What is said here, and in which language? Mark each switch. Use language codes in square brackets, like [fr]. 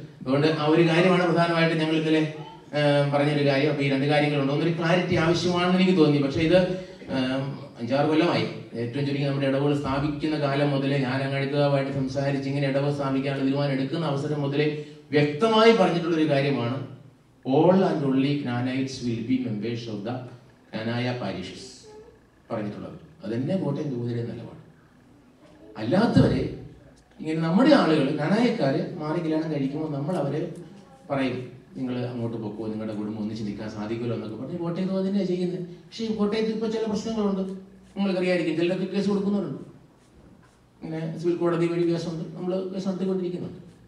[ml] അതുകൊണ്ട് ആ ഒരു കാര്യമാണ് പ്രധാനമായിട്ട് ഞങ്ങൾ ഇതിലെ പറഞ്ഞൊരു കാര്യം. അപ്പോൾ ഈ രണ്ട് കാര്യങ്ങളുണ്ട്. ഒന്നൊരു ക്ലാരിറ്റി ആവശ്യമാണെന്ന് എനിക്ക് തോന്നി. പക്ഷേ ഇത് 5-6 കൊല്ലമായി. ഏറ്റവും ചുരുങ്ങി നമ്മുടെ ഇടവകൾ സ്ഥാപിക്കുന്ന കാലം മുതലേ ഞാൻ അങ്ങാടിത്തതുമായിട്ട് സംസാരിച്ച് ഇങ്ങനെ ഇടവ സ്ഥാപിക്കാനുള്ള തീരുമാനം എടുക്കുന്ന അവസരം മുതലേ വ്യക്തമായി പറഞ്ഞിട്ടുള്ളൊരു കാര്യമാണ്, [en] all and only Canaanites will be members of the Canaanite parishes. [ml] പറഞ്ഞിട്ടുള്ളത് അതെന്നെ കോട്ടയം ജോതിരെ നിലപാട്. അല്ലാത്തവരെ ഇങ്ങനെ നമ്മുടെ ആളുകൾ കനായക്കാര് മാറി കല്യാണം കഴിക്കുമ്പോൾ നമ്മൾ അവരെ പറയും നിങ്ങൾ അങ്ങോട്ട് പോക്കോ, നിങ്ങളുടെ കുടുംബം ഒന്നിച്ച് നിൽക്കാൻ സാധിക്കുമല്ലോ എന്നൊക്കെ പറഞ്ഞ് കോട്ടയത്ത് തന്നെയാണ് ചെയ്യുന്നത്. പക്ഷേ ഈ കോട്ടയത്ത് ഇപ്പോൾ ചില പ്രശ്നങ്ങളുണ്ട്, നിങ്ങൾക്കറിയാമായിരിക്കും, ചിലരൊക്കെ കേസ് കൊടുക്കുന്നവരുണ്ട്, ഇങ്ങനെ സിവിൽ കോടതി വഴി കേസുണ്ട്, നമ്മൾ നടത്തിക്കൊണ്ടിരിക്കുന്നുണ്ട്.